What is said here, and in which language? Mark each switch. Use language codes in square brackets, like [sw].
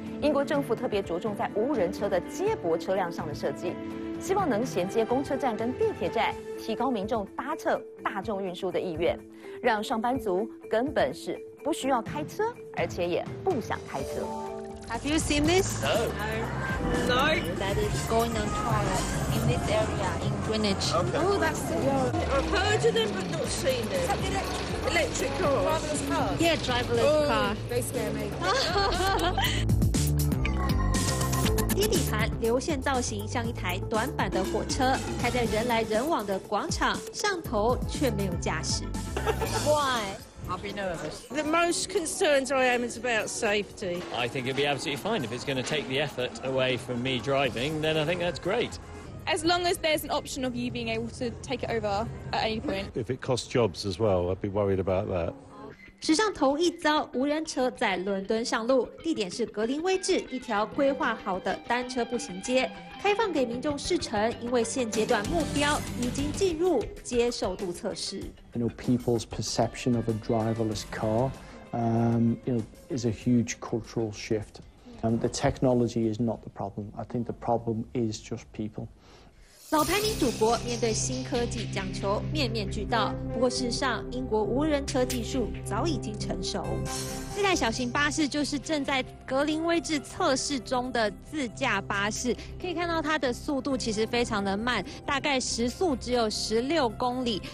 [zh] 英国政府特别着重在无人车的接驳车辆上的设计，希望能衔接公车站跟地铁站，提高民众搭乘大众运输的意愿，让上班族根本是不需要开车，而且也不想开车。 [en] Have you seen this? No. No. That is going on trial in this area in Greenwich. Okay. Oh, that's the one. I've heard of them, but not seen it. Electric car. Driverless car. Yeah, driverless car. They scare me. [zh] 低底盘流线造型像一台短板的火车，开在人来人往的广场上头，却没有驾驶。 [en] Why? I'll be nervous. The most concerns I am is about safety. I think it'd be absolutely fine. If it's going to take the effort away from me driving, then I think that's great. As long as there's an option of you being able to take it over at any point. If it costs jobs as well, I'd be worried about that. [zh] 史上头一遭，无人车在伦敦上路，地点是格林威治一条规划好的单车步行街，开放给民众试乘。因为现阶段目标已经进入接受度测试。 [en] You know, people's perception of a driverless car, you know, is a huge cultural shift. The technology is not the problem. I think the problem is just people. [zh] 老牌民主国面对新科技讲求面面俱到，不过事实上英国无人车技术早已经成熟。这台小型巴士就是正在格林威治测试中的自驾巴士，可以看到它的速度其实非常的慢，大概时速只有16公里。